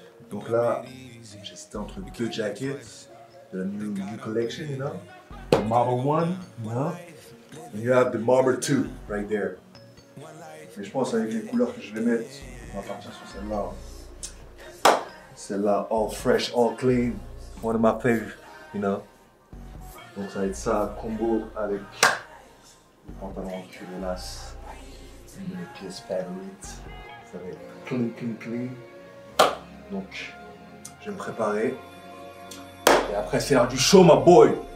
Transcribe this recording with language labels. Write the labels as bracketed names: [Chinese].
[French] Donc là, j'ai cité entre deux jackets de la [English] new collection, you know. The Marble 1, huh? And you have the Marble 2, right there. [French] Mais je pense avec les couleurs que je vais mettre, on va partir sur celle-là. Celle-là, [English] all fresh, all clean, one of my favorite, you know. [French] Donc ça va être ça, combo avec le pantalon en cuir hélas, une de mes pièces favorites. Ça va être clean, clean, clean. Donc, je vais me préparer. Et après, c'est l'heure du show, [English] my boy.